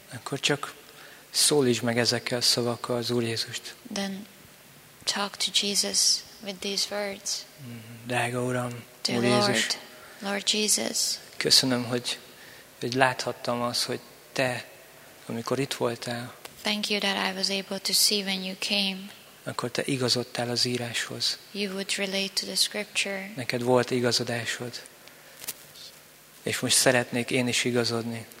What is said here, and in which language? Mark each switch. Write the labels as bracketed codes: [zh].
[hu] akkor csak szólítsd meg ezekkel a szavakkal az Úr Jézust. [en] Then talk to Jesus with these words. [hu] Drága Uram, Úr Jézus, [en] Lord Jesus. [hu] Köszönöm, hogy láthattam azt, hogy te, amikor itt voltál. [en] Thank you that I was able to see when you came. [hu] Akkor te igazodtál az íráshoz. [en] You would relate to the scripture. [hu] Neked volt igazodásod. És most szeretnék én is igazodni.